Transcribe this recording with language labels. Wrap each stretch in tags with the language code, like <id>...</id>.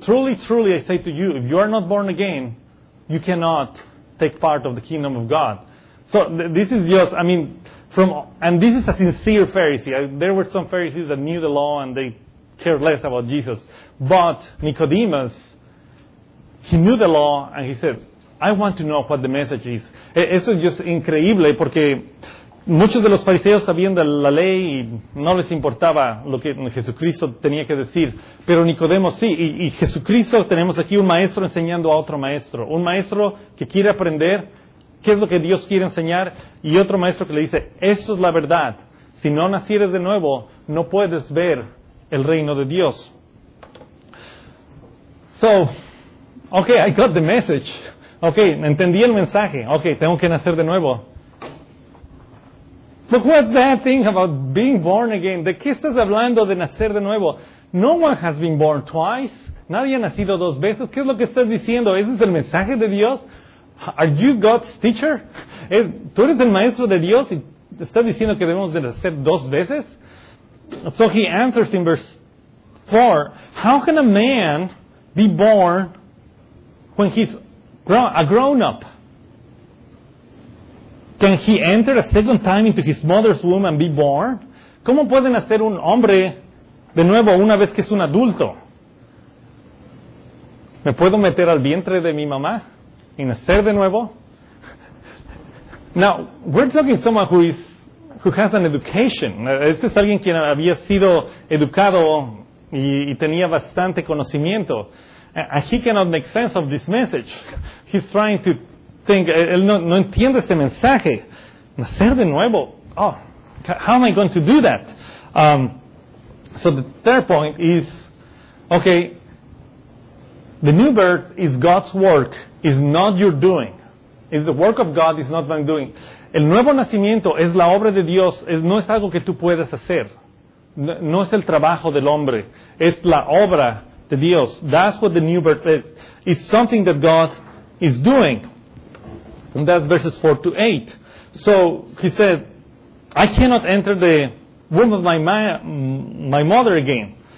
<en>Truly, truly, I say to you, if you are not born again, you cannot take part of the kingdom of God. So this is just, I mean, from, and this is a sincere Pharisee. There were some Pharisees that knew the law and they cared less about Jesus. But Nicodemus, he knew the law and he said, I want to know what the message is.</en> <es>Eso es just increíble porque muchos de los fariseos sabían de la ley y no les importaba lo que Jesucristo tenía que decir. Pero Nicodemo sí, y Jesucristo, tenemos aquí un maestro enseñando a otro maestro. Un maestro que quiere aprender qué es lo que Dios quiere enseñar y otro maestro que le dice, eso es la verdad. Si no nacieres de nuevo, no puedes ver el reino de Dios.</es> <en>So, okay, I got the message. Okay,</en> <es>entendí el mensaje. Okay, tengo que nacer de nuevo.</es> <en>But what's that thing about being born again?</en> <es>¿De qué estás hablando de nacer de nuevo?</es> <en>No one has been born twice.</en> <es>Nadie ha nacido dos veces. ¿Qué es lo que estás diciendo? ¿Ese es el mensaje de Dios?</es> <en>Are you God's teacher?</en> <es>¿Tú eres el maestro de Dios y estás diciendo que debemos de nacer dos veces?</es> <en>So he answers in verse 4, how can a man be born when he's a grown-up? Can he enter a second time into his mother's womb and be born?</en> <es>¿Cómo puede nacer un hombre de nuevo una vez que es un adulto? ¿Me puedo meter al vientre de mi mamá y nacer de nuevo?</es> <en>Now, we're talking someone who has an education.</en> <es>Este es alguien quien había sido educado y tenía bastante conocimiento.</es> <en>And he cannot make sense of this message. He's trying to think,</en> <es>él no entiende este mensaje. Nacer de nuevo.</es> <en>Oh, how am I going to do that? So the third point is, okay, the new birth is God's work, is not your doing. It's the work of God, is not my doing.</en> <es>El nuevo nacimiento es la obra de Dios, no es algo que tú puedas hacer. No es el trabajo del hombre, es la obra de Dios.</es> <en>That's what the new birth is. It's something that God is doing. And that's verses 4 to 8. So he said, I cannot enter the womb of my mother again.</en>